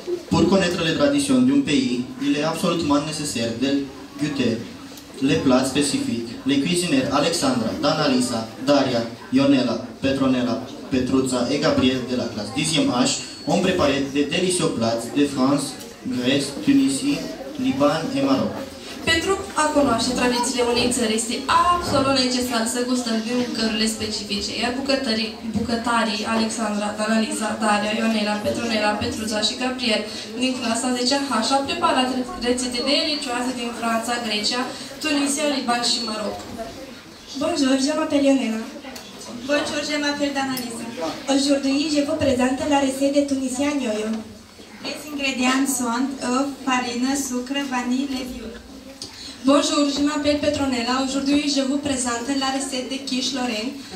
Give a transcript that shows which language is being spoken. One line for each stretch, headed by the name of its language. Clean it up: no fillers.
French: Pour connaître les traditions d'un pays, il est absolument nécessaire de goûter les plats spécifiques. Les cuisinières Alexandra, Danalisa, Daria, Ionela, Petronella, Petruța et Gabriel de la classe 10e H ont préparé de délicieux plats de France, Grèce, Tunisie, Liban et Maroc.
Romanian: Pentru a cunoaște tradițiile unei țări este absolut necesar să gustăm din mâncărurile specifice, iar bucătarii Alexandra, Danalisa, Daria, Ionela, Petronela, Petruța și Gabriel din clasa 10H au preparat rețete delicioase din Franța, Grecia, Tunisia, Liban și Maroc.
French: Bonjour, je m'appelle Ionela. Bonjour, je m'appelle Danalisa. Aujourd'hui, je vous présente la rețetă de tunisian yo-yo. Les ingredients sont œuf, farină, sucre, vanille, levure. Bonjour, je m'appelle Petronella. Aujourd'hui, je vous présente la recette de quiche Lorraine.